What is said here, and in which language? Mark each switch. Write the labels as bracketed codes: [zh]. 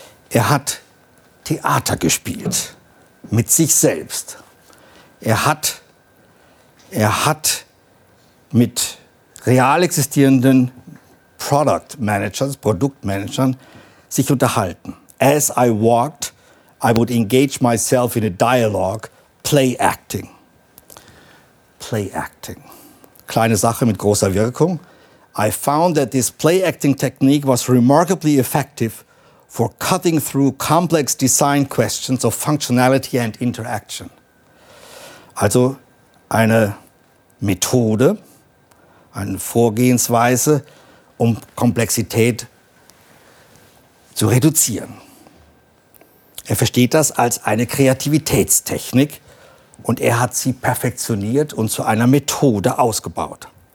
[de] Er hat Theater gespielt mit sich selbst. Er hat mit real existierenden Product Managers, Produktmanagern, sich unterhalten. [en] As I walked, I would engage myself in a dialogue, play acting. Play acting. [de] Kleine Sache mit großer Wirkung. [en] I found that this play-acting technique was remarkably effective for cutting through complex design questions of functionality and interaction. [de] Also eine Methode, eine Vorgehensweise, um Komplexität zu reduzieren. Er versteht das als eine Kreativitätstechnik und er hat sie perfektioniert und zu einer Methode ausgebaut.